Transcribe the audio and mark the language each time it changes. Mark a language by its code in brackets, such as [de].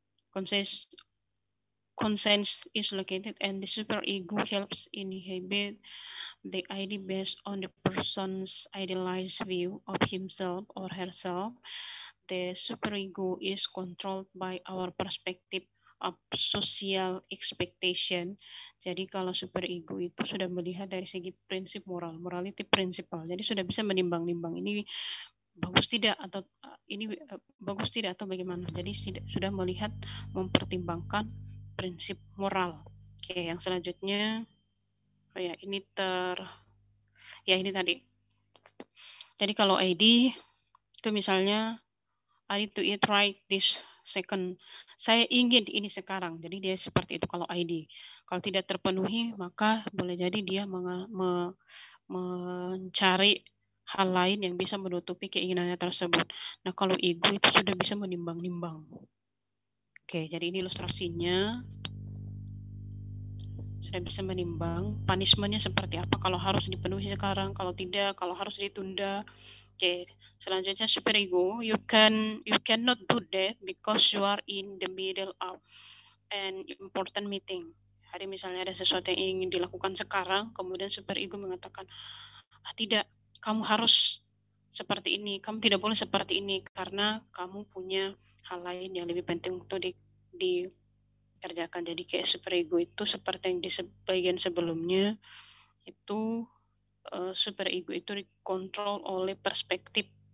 [en] Conscience is located and the superego helps inhibit the ID based on the person's idealized view of himself or herself. The superego is controlled by our perspective of social expectation. [id] Jadi kalau superego itu sudah melihat dari segi prinsip moral, [en] morality principle. [id] Jadi sudah bisa menimbang-nimbang ini bagus tidak atau ini bagus tidak atau bagaimana. Jadi sudah melihat mempertimbangkan prinsip moral. Oke, yang selanjutnya ini tadi. Jadi kalau ID itu misalnya [en] I need to eat right this second. [id] Saya ingin ini sekarang. Jadi dia seperti itu kalau ID. Kalau tidak terpenuhi, maka boleh jadi dia mencari hal lain yang bisa menutupi keinginannya tersebut. Nah, kalau ego itu sudah bisa menimbang-nimbang. Oke, jadi ini ilustrasinya. Sudah bisa menimbang. Punishment-nya seperti apa? Kalau harus dipenuhi sekarang, kalau tidak, kalau harus ditunda. Oke. Selanjutnya [en] superego, you cannot do that because you are in the middle of an important meeting. [id] Hari misalnya ada sesuatu yang ingin dilakukan sekarang, kemudian superego mengatakan, ah, tidak, kamu harus seperti ini, kamu tidak boleh seperti ini karena kamu punya hal lain yang lebih penting untuk dikerjakan. Jadi kayak superego itu seperti yang di bagian sebelumnya itu superego itu dikontrol oleh perspektif.